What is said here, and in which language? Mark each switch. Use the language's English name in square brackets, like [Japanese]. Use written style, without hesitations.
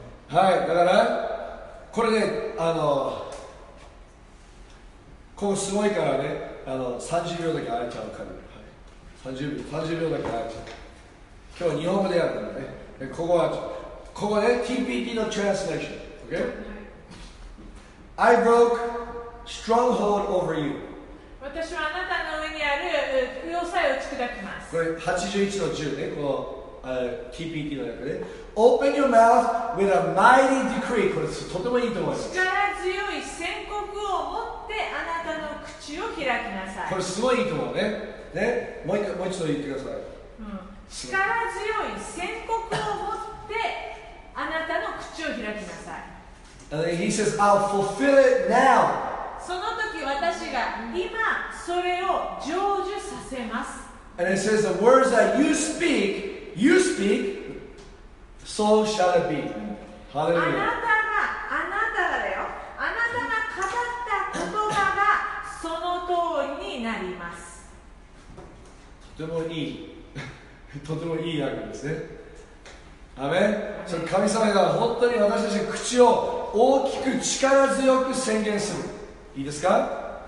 [Japanese] はい、だからこれで、ここすごいからね、30秒だけ会えちゃうから、はい、30秒だけ会えちゃう。今日日本語でやるんだね。でここはここね、 TPT のトランスレーション、 OK? [English] I broke stronghold over you。 [Japanese] 私はあなたの上にある要塞を打ち砕きます。これ81の10、ね、この TPT の役で [English] Open your mouth with a mighty decree。 [Japanese] これとてもいいと思います。力強い宣告を持ってあなたの口を開きなさい。これすごいいいと思うね。ね、もう一度言ってください。うん、力強い宣告を持ってあなたの口を開きなさい。 [English] And he says, I'll fulfill it now. [Japanese] その時私が今それを成就させます。 [English] And it says, the words that you speak, so shall it be. [Japanese] Hallelujah. あなたがだよ。あなたが語った言葉がその通りになります。とてもいいとてもいい訳ですね。アメン。その神様が本当に私たちの口を大きく力強く宣言する、いいですか。